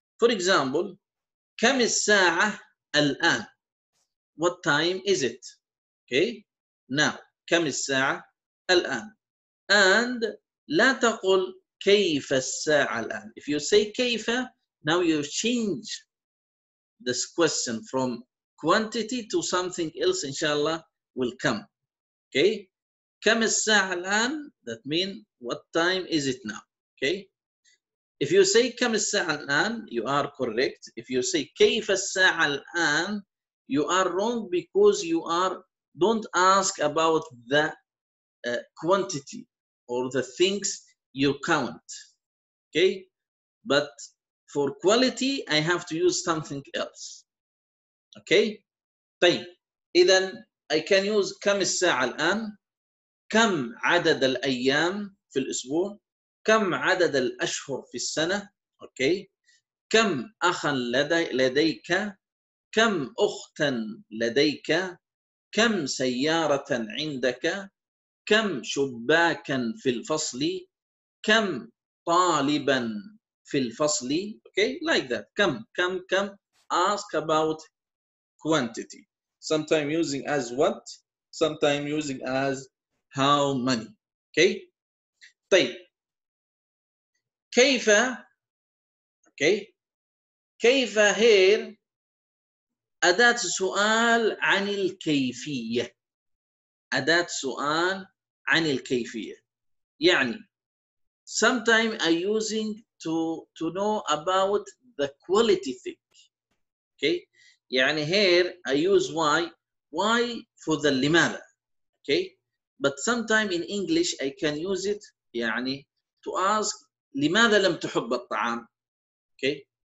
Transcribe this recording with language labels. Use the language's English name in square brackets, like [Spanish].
[English] For example, [Arabic] كم الساعة الآن. [English] What time is it? Okay. Now, [Arabic] كم الساعة الآن. [English] And [Arabic] لا تقل كيف الساعة الآن. [English] If you say كيف, now you change this question from quantity to something else, inshallah, will come. Okay. [Arabic] كم الساعة الآن, [English] that means what time is it now. Okay. If you say [Arabic] كم الساعة الآن, [English] you are correct. If you say [Arabic] كيف الساعة الآن, [English] you are wrong because you are don't ask about the quantity or the things you count, okay? But for quality, I have to use something else, okay? [Arabic] طيب إذا [English] I can use [Arabic] كم الساعة الآن؟ كم عدد الأيام في الأسبوع؟ كم عدد الأشهر في السنة؟ okay؟ كم أخا لديك؟ كم أختا لديك؟ كم سيارة عندك؟ كم شباكا في الفصل؟ كم طالبا في الفصل؟ [English] okay like that. كم ask about quantity. Sometimes using as what, sometimes using as how many. Okay. [Arabic] طيب كيف [English] okay [Arabic] كيف هير أداة سؤال عن الكيفية. أداة سؤال عن الكيفية. يعني [English] sometimes I using to know about the quality thing. Okay. [Arabic] يعني [English] here I use why for the لماذا. Okay. But sometimes in English I can use it يعني to ask [Arabic] لماذا لم تحب الطعام. [English] Okay.